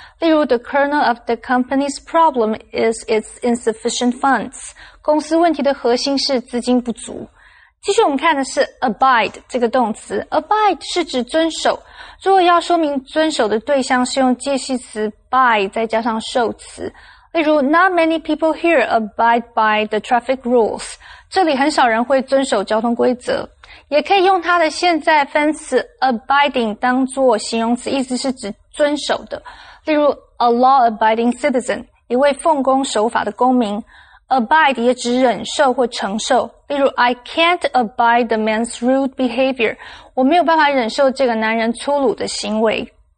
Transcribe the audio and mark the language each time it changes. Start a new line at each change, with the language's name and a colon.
Chinese: 例如
English: ,the kernel of the company's problem is its insufficient funds.
Chinese: 公司问题的核心是资金不足。继续我们看的是 abide 这个动词。abide 是指遵守。如果要说明遵守的对象是用介系词 by 再加上受词。例如
English: ,not many people here abide by the traffic rules.
Chinese: 这里很少人会遵守交通规则。也可以用它的现在分词 abiding 当作形容词，意思是指遵守的。例如 ,
English: a law-abiding citizen,
Chinese: 一位奉公守法的公民。 abide 也指忍受或承受。例如
English: ,I can't abide the man's rude behavior.
Chinese: 我没有办法忍受这个男人粗鲁的行为。